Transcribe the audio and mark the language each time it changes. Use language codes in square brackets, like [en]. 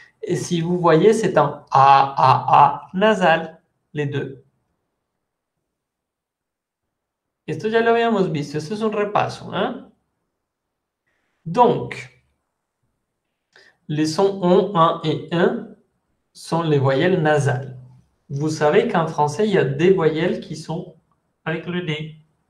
[es] Y [fr] si vous voyez, c'est un a nasal. Les deux. [es] Esto ya lo habíamos visto, esto es un repaso. ¿Eh? [fr] Donc, les sons on, un et un sont les voyelles nasales. Vous savez qu'en français, il y a des voyelles qui sont avec le nez.